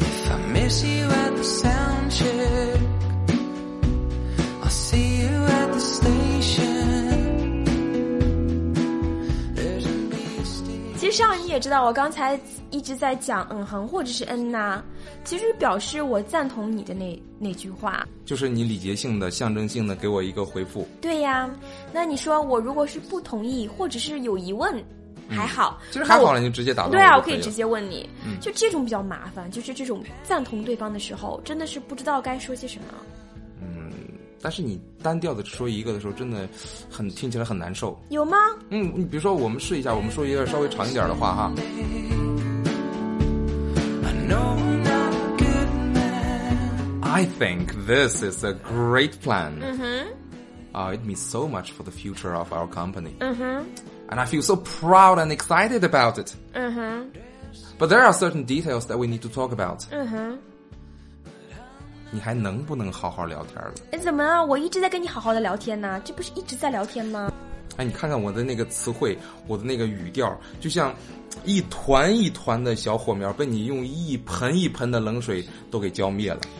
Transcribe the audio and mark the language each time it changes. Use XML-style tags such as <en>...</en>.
<en>If I miss you at the sound check, I'll see you at the station. There's a mystery.</en> <zh>其实上你也知道，我刚才一直在讲嗯哼或者是嗯呐，其实表示我赞同你的那句话，就是你礼节性的象征性的给我一个回复。对呀，那你说我如果是不同意或者是有疑问，还好，其实还好了，你就直接打断。对啊，我可以直接问你，就这种比较麻烦，就是这种赞同对方的时候，真的是不知道该说些什么。嗯，但是你单调的说一个的时候，真的很听起来很难受。有吗？嗯，你比如说我们试一下，我们说一个稍微长一点的话哈。</zh> <en>I think this is a great plan. Mm-hmm. It means so much for the future of our company. Mm-hmm. And I feel so proud and excited about it. Mm-hmm. But there are certain details that we need to talk about. Mm-hmm.</en> <zh>你还能不能好好聊天了？哎，怎么啊？我一直在跟你好好的聊天呢，这不是一直在聊天吗？哎，你看看我的那个词汇，我的那个语调，就像一团一团的小火苗，被你用一盆一盆的冷水都给浇灭了。</zh>